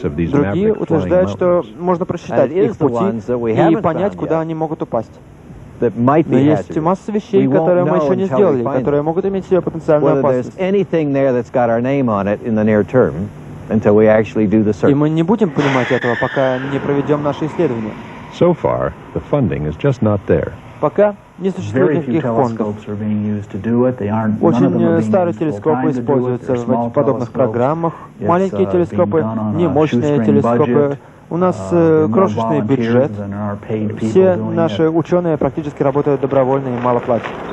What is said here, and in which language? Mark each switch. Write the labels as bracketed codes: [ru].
[ru] Другие утверждают, что можно просчитать их пути и понять, куда они могут упасть. Но есть масса вещей, которые мы еще не сделали, которые могут иметь себе потенциальную опасность. И мы не будем понимать этого, пока не проведем наши исследования. [en] So far, the funding is just not there. [ru] Пока не существует никаких фондов. Очень старые телескопы используются в подобных программах. Маленькие телескопы, не мощные телескопы. У нас крошечный бюджет. Все наши ученые практически работают добровольно и мало платят.